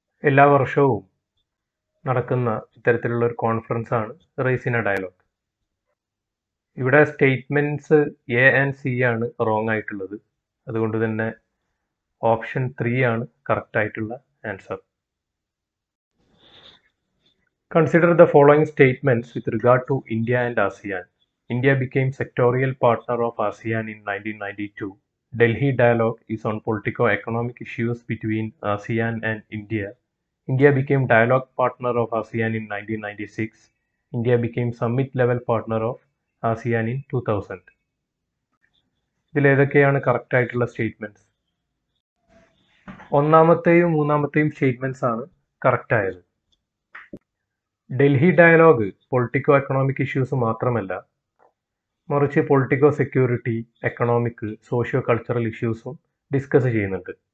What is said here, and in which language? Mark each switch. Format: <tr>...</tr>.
<ml>എല്ലാ വർഷവും നടക്കുന്ന ഇത്തരത്തിലുള്ള ഒരു കോൺഫറൻസ് ആണ് റെയ്സിന ഡയലോഗ്. ഇവിടെ സ്റ്റേറ്റ്മെന്റ്സ് എ ആൻഡ് സി ആണ് റോങ് ആയിട്ടുള്ളത്. അതുകൊണ്ട് തന്നെ ഓപ്ഷൻ 3 ആണ് കറക്റ്റ് ആയിട്ടുള്ള answer.</ml> <en>Consider the following statements with regard to India and ASEAN. India became sectorial partner of ASEAN in 1992. Delhi dialogue is on politico-economic issues between ASEAN and India. India became dialogue partner of ASEAN in 1996. India became summit-level partner of ASEAN in 2000.</en> <ml>ഇതിൽ ഏതൊക്കെയാണ് correct ആയിട്ടുള്ള statements? ഒന്നാമത്തെയും മൂന്നാമത്തെയും statements ആണ് correct ആയത്. Delhi dialogue politico economic issues മാത്രമല്ല, മറിച്ച് politico security, economic, socio cultural ഇഷ്യൂസും discuss ചെയ്യുന്നുണ്ട്.</ml>